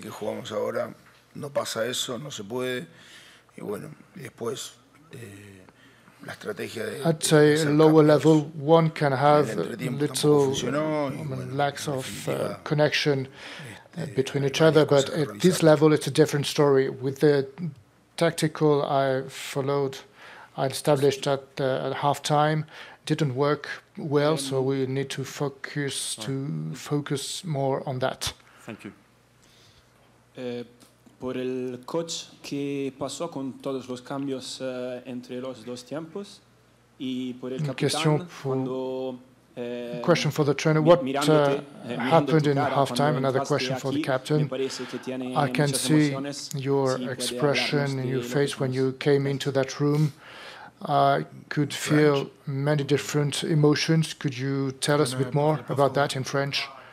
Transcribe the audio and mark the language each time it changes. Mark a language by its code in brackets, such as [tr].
[es] Que jugamos ahora no pasa eso, no se puede. Y bueno, y después, la estrategia de [en] at a lower level, one can have little lacks of connection between each other, but at this level, it's a different story. With the tactical I followed, I established at halftime, didn't work well, so we need to focus more on that. Thank you. [es] Por el coach que pasó con todos los cambios entre los dos tiempos y por el capitán cuando [en] question for the trainer, what happened in halftime? Another question for the captain. I can see your expression in your face when you came into that room. I could feel many different emotions. Could you tell us a bit more about that in French?